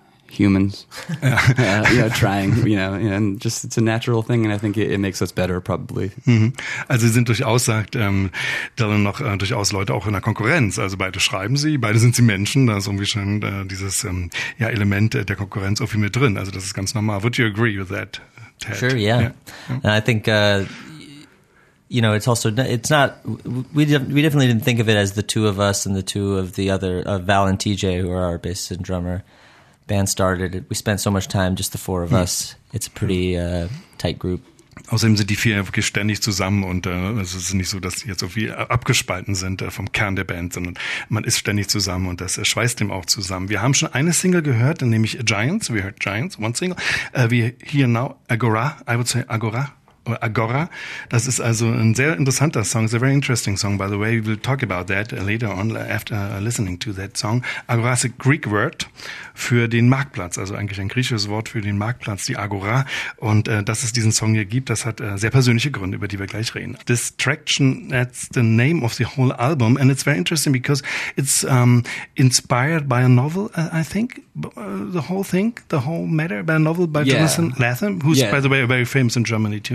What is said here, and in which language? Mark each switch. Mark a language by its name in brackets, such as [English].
[English] humans, trying, and just it's a natural thing, and I think it makes us better, probably. Mm-hmm. [German] Also sie sind durchaus, sagt Dylan noch, durchaus Leute auch in der Konkurrenz. Also beide schreiben sie, beide sind sie Menschen, da ist irgendwie schon dieses Element der Konkurrenz irgendwie mit drin. Also das ist ganz normal. [English] Would you agree with that, Ted? Sure, yeah. And I think, it's also, it's not, we definitely didn't think of it as the two of us and the two of the other, Val and TJ, who are our bassist and drummer. Band started, we spent so much time, just the four of us. It's a pretty tight group. [German] Außerdem sind die vier wirklich ständig zusammen und es ist nicht so, dass sie jetzt so viel abgespalten sind vom Kern der Band, sondern man ist ständig zusammen und das schweißt dem auch zusammen. Wir haben schon eine Single gehört, nämlich Giants. [English] We heard Giants, one single. We hear now Agora. I would say Agora. Or Agora. [German] Das ist also ein sehr interessanter Song. [English] It's a very interesting song, by the way. We will talk about that later on after listening to that song. Agora is a Greek word [German] für den Marktplatz. Also eigentlich ein griechisches Wort für den Marktplatz, die Agora. Und dass es diesen Song hier gibt, das hat sehr persönliche Gründe, über die wir gleich reden. [English] Distraction, that's the name of the whole album. And it's very interesting because it's inspired by a novel, I think. The whole thing, the whole matter, by a novel by Jonathan Latham, who's, by the way, very famous in Germany too.